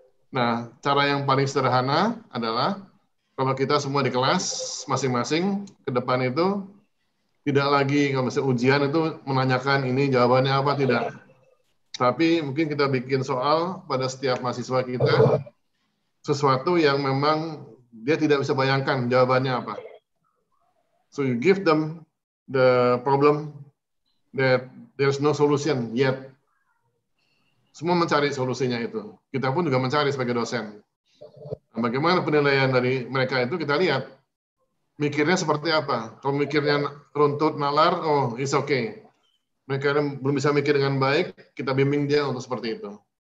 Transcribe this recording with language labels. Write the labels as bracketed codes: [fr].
[id] Nah, cara yang paling sederhana adalah kalau kita semua di kelas masing-masing ke depan itu tidak lagi kalau misalnya ujian itu menanyakan ini jawabannya apa, tidak. Tapi mungkin kita bikin soal pada setiap mahasiswa kita, sesuatu yang memang dia tidak bisa bayangkan jawabannya apa. [en] So you give them the problem that there's no solution yet. [id] Semua mencari solusinya itu. Kita pun juga mencari sebagai dosen. bagaimana penilaian dari mereka itu kita lihat. Mikirnya seperti apa? Kalau mikirnya runtut, nalar, [en] oh, it's okay. [id] Mereka belum bisa mikir dengan baik, kita bimbing dia untuk seperti itu.